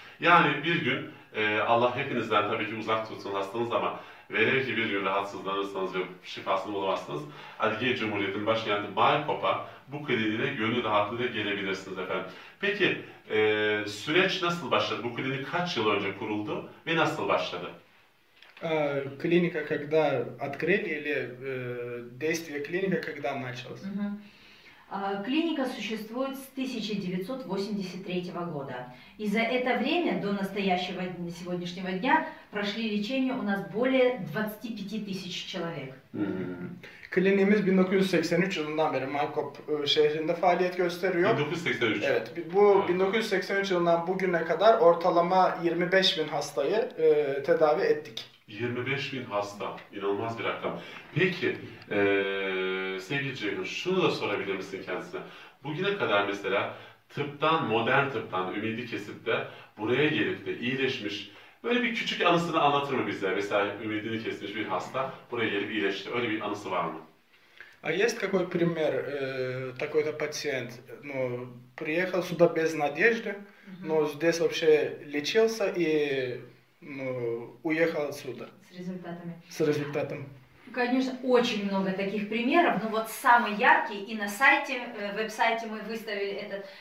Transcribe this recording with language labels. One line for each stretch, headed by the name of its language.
Turkish: Yani bir gün Allah hepinizden tabii ki uzak tutsun hastanız ama velev ki bir gün rahatsızlanırsanız ve şifasını bulamazsanız Adige Cumhuriyet'in başkenti Maykop'a bu kliniğine gönül rahatlığıyla gelebilirsiniz efendim. Peki süreç nasıl başladı? Bu klinik kaç yıl önce kuruldu ve nasıl başladı?
Russian: Клиника, когда открыли, или действие клиника, когда началось? Клиника существует с 1983 года. И за это время, до настоящего сегодняшнего дня, прошли лечение у нас более 25 тысяч человек.
Turkish: Клиниğimiz 1983 yılından beri Maykop şehrinde faaliyet gösteriyor. 1983. Evet, bu 1983 yılından bugüne kadar ortalama 25 bin hastayı tedavi ettik. 25 bin hasta. İnanılmaz bir rakam. Peki, sevgili Ceyhun, şunu da sorabilir misin kendisine? Bugüne kadar mesela tıptan, modern tıptan ümidi kesip de buraya gelip de iyileşmiş, böyle bir küçük anısını anlatır mı bize? Mesela ümidini kesmiş bir hasta buraya gelip iyileşti. Öyle bir anısı var mı?
Russian: А есть какой пример, такой-то пациент, ну, приехал сюда без надежды, но здесь вообще лечился и, ну, уехал отсюда Результатами. с результатом. Конечно, очень много таких примеров, но вот самый яркий и на сайте, веб-сайте мы выставили этот.